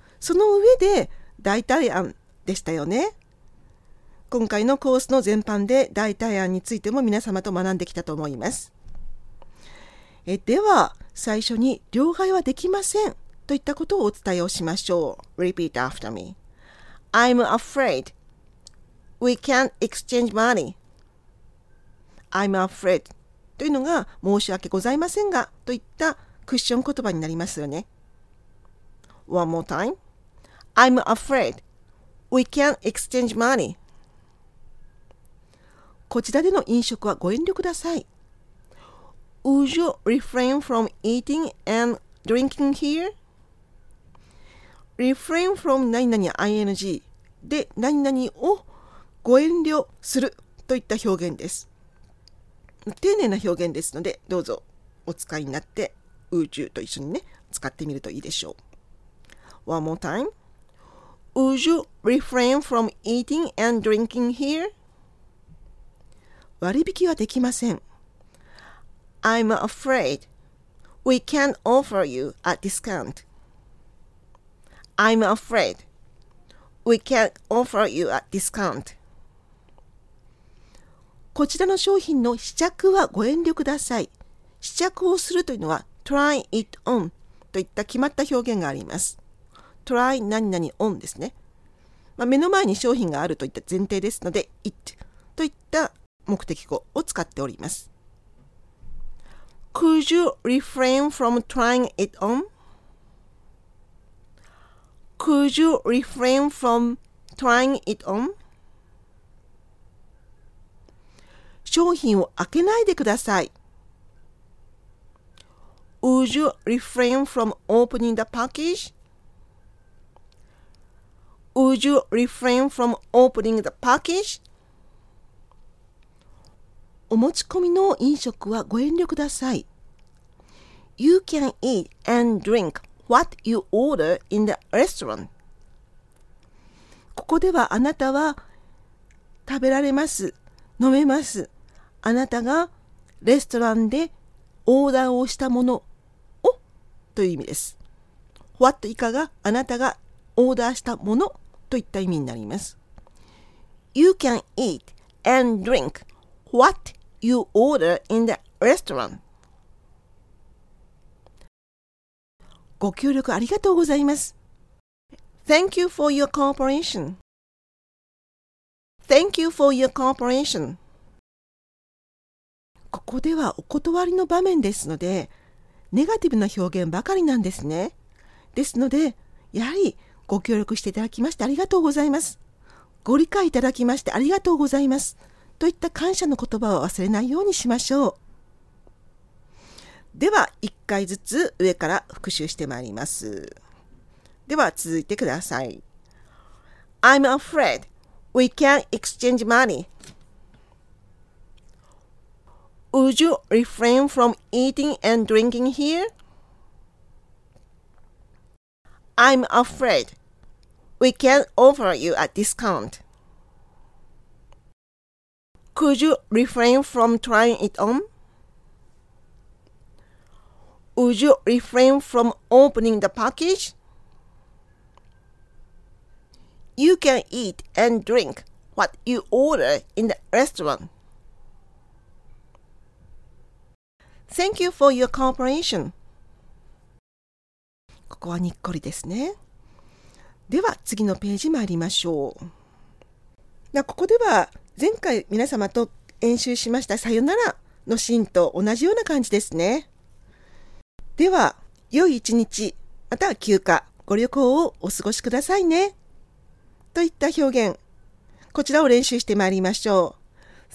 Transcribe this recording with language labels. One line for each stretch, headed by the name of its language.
Japanese: その上で代替案でしたよね。今回のコースの全般で代替案についても皆様と学んできたと思います。では最初に、両替はできませんといったことをお伝えをしましょう。
English: Repeat after me. I'm afraid. We can't exchange money. I'm afraid.
Japanese: というのが、申し訳ございませんがといったクッション言葉になりますよね。
English: One more time. I'm afraid. We can't exchange money.
Japanese: こちらでの飲食はご遠慮ください。
English: Would you refrain from eating and drinking here? Refrain from
Japanese: 何々 ing で何々をご遠慮するといった表現です。丁寧な表現ですので、どうぞお使いになって
English: Would you
Japanese: と一緒にね使ってみるといいでしょう。
English: One more time. Would you refrain from eating and drinking here?
Japanese: 割引はできません。
English: I'm afraid we can't offer you a discount. I'm afraid we can't offer you a discount.
Japanese: こちらの商品の試着はご遠慮ください。試着をするというのは
English: try it on
Japanese: といった決まった表現があります。 try 何々 on ですね。まあ、目の前に商品があるといった前提ですので it といった目的語を使っております。
English: Could you refrain from trying it on? Could you refrain from trying it on?
Japanese: 商品を開けないでください。
English: Would you refrain from opening the package? Would you refrain from opening the package?
Japanese: お持ち込みの飲食はご遠慮ください。
English: You can eat and drink what you order in the restaurant.
Japanese: ここではあなたは食べられます、飲めます。あなたがレストランでオーダーをしたものをという意味です。 What 以下があなたがオーダーしたものといった意味になります。
English: You can eat and drink what you order in the restaurant.
Japanese: ご協力ありがとうございます。
English: Thank you for your cooperation. Thank you for your cooperation.
Japanese: ここではお断りの場面ですので、ネガティブな表現ばかりなんですね。ですので、やはりご協力していただきましてありがとうございます。ご理解いただきましてありがとうございます。といった感謝の言葉を忘れないようにしましょう。では一回ずつ上から復習してまいります。では続いてください。
English: I'm afraid we can't exchange money. Would you refrain from eating and drinking here? I'm afraid we can't offer you a discount. Could you refrain from trying it on? Would you refrain from opening the package? You can eat and drink what you order in the restaurant. Thank you for your cooperation.
Japanese: ここはにっこりですね。では次のページ参りましょう。ここでは前回皆様と演習しましたさよならのシーンと同じような感じですね。では良い一日または休暇ご旅行をお過ごしくださいねといった表現、こちらを練習してまいりましょう。